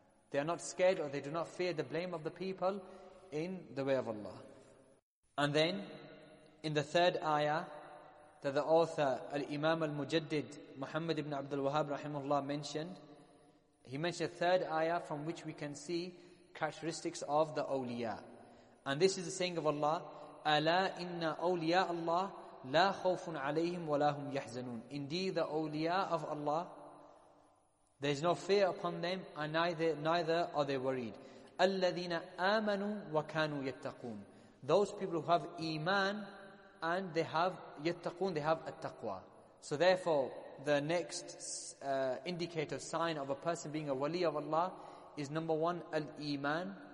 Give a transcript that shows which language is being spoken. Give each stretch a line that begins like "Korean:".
English: They are not scared, or they do not fear the blame of the people in the way of Allah. And then, in the third ayah, that the author, Al-Imam Al-Mujaddid, Muhammad ibn Abdul Wahhab, rahimahullah, mentioned, he mentioned a third ayah from which we can see characteristics of the awliya. And this is the saying of Allah,
Arabic: أَلَا إِنَّ أَوْلِيَاءَ اللَّهِ لَا خَوْفٌ عَلَيْهِمْ وَلَا هُمْ يَحْزَنُونَ.
English: Indeed, the awliya of Allah, there is no fear upon them, and neither are they worried.
Arabic: أَلَّذِينَ آمَنُوا وَكَانُوا يَتَّقُونَ.
English: Those people who have iman and they have yattaqun, they have attaqwa. So therefore, the next indicator, sign of a person being a wali of Allah is number one, al-iman.